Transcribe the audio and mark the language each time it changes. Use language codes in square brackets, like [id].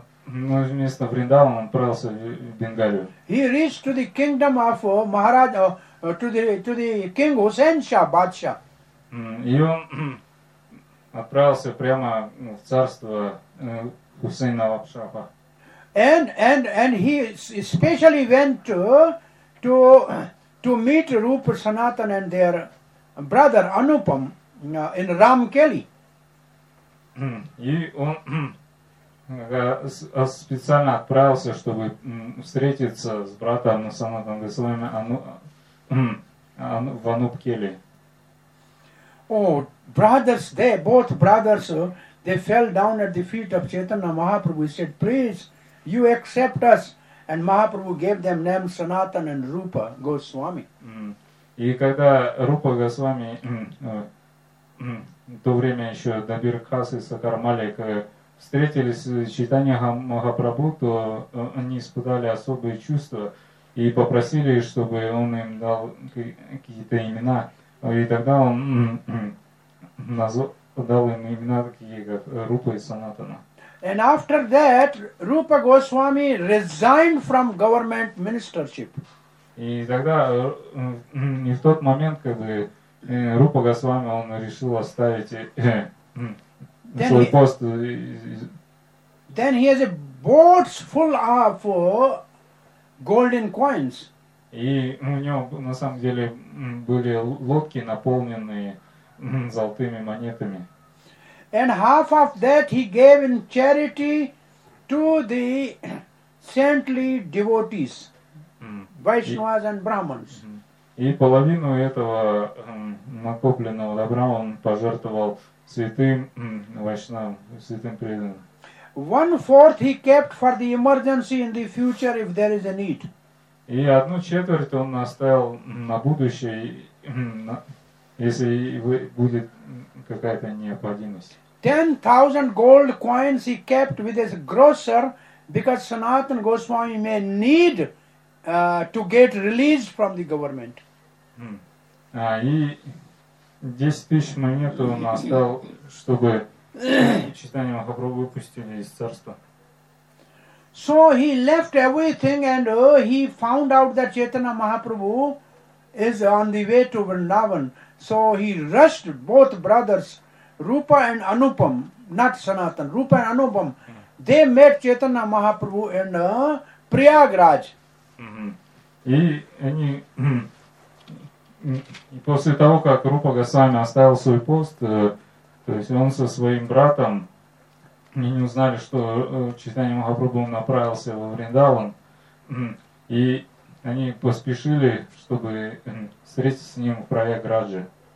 [ru] Но вместо Вриндавана он отправился в Бенгалию. [en] He reached to the kingdom of Maharaj, to the king Hussain Shah Badshah. [ru] И он отправился прямо в царство Хусейна Лапшапа. [en] And he especially went to meet Rupa Sanatan and their brother Anupam in Ramkeli. [ru] И он специально отправился, чтобы встретиться с братом Санатан Госвами в Анупкели. [en] Oh, brothers, they, both brothers, they fell down at the feet of Chaitanya Mahaprabhu. He said, please, you accept us. And Mahaprabhu gave them names Sanatan and Rupa Goswami. [ru] И когда Рупа Госвами в то время еще Дабирхас и Сакармалик встретились с Чайтанья Махапрабху, то они испытали особые чувства и попросили, чтобы он им дал какие-то имена. И тогда он дал им имена такие, как Рупа и Санатана. [en] And after that, Rupa Goswami resigned from government ministership. [ru] И тогда, и в тот момент, когда Рупа Госвами, он решил оставить свой пост. [en] Then he has a boat full of golden coins. [ru] И у него на самом деле были лодки, наполненные золотыми монетами. [en] And half of that he gave in charity to the saintly devotees, Vaishnavas and Brahmins. [ru] И половину этого накопленного добра он пожертвовал святым Вайшнавам, святым преданным. [en] One fourth he kept for the emergency in the future if there is a need. [ru] И одну четверть он оставил на будущее, если будет какая-то необходимость. [en] 10,000 gold coins he kept with his grocer because Sanatan Goswami may need to get released from the government. [ru] И 10,000 монет он оставил, чтобы Чайтанья Махапрабху выпустили из царства. [en] So he left everything and he found out that Chaitanya Mahaprabhu is on the way to Vrindavan. So he rushed both brothers, Rupa and Anupam, not Sanatan, Rupa and Anupam, they met Chaitanya Mahaprabhu in Prayagraj. [ru] И после того, как Рупа Госвами оставил свой пост, то есть он со своим братом, они не узнали, что Чайтанья Махапрабху направился во Вриндаван, и они поспешили, чтобы встретиться с ним в Прайаграджи.